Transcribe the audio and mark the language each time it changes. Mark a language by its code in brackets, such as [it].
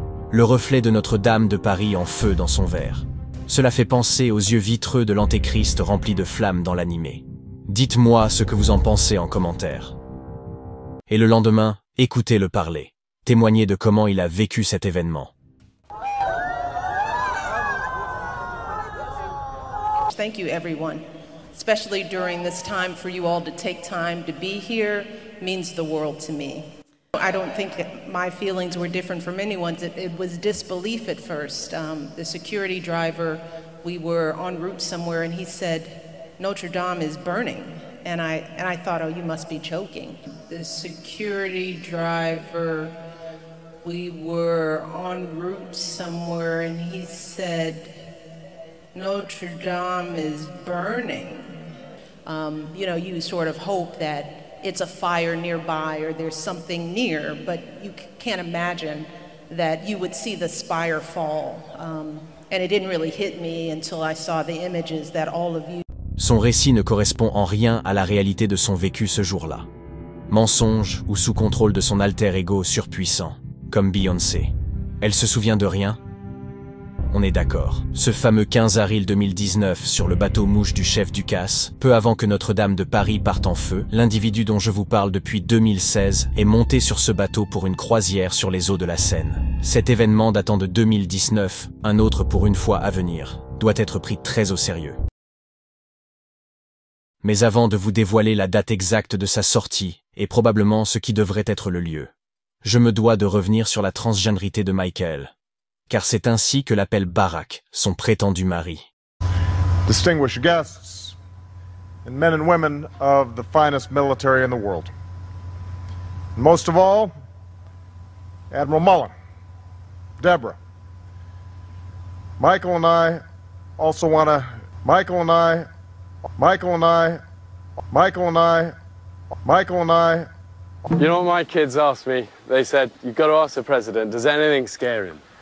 [fr] Le reflet de Notre-Dame de Paris en feu dans son verre. Cela fait penser aux yeux vitreux de l'antéchrist remplis de flammes dans l'animé. Dites-moi ce que vous en pensez en commentaire. Et le lendemain, écoutez-le parler, témoigner de comment il a vécu cet événement. [en] Thank you everyone, especially during this time for you all to take time to be here means the world to me. I don't think my feelings were different from anyone's. It was disbelief at first. The security driver, we were en route somewhere and he said Notre Dame is burning. And I thought, oh, you must be joking. The security driver, we were en route somewhere, and he said, Notre Dame is burning. You know, you sort of hope that it's a fire nearby or there's something near, but you can't imagine that you would see the spire fall. And it didn't really hit me until I saw the images that all of you... [fr] Son récit ne correspond en rien à la réalité de son vécu ce jour-là. Mensonge ou sous contrôle de son alter ego surpuissant, comme Beyoncé. Elle se souvient de rien ? On est d'accord. Ce fameux 15 avril 2019 sur le bateau mouche du chef Ducasse, peu avant que Notre-Dame de Paris parte en feu, l'individu dont je vous parle depuis 2016 est monté sur ce bateau pour une croisière sur les eaux de la Seine. Cet événement datant de 2019, un autre pour une fois à venir, doit être pris très au sérieux. Mais avant de vous dévoiler la date exacte de sa sortie, et probablement ce qui devrait être le lieu, je me dois de revenir sur la transgenrité de Michael. Car c'est ainsi que l'appelle Barack, son prétendu mari. [en] Distinguished guests, and men and women of the finest military in the world. And most of all, Admiral Mullen, Deborah. Michael and I. You know, my kids asked me, they said, you've got to ask the president, does anything scare him?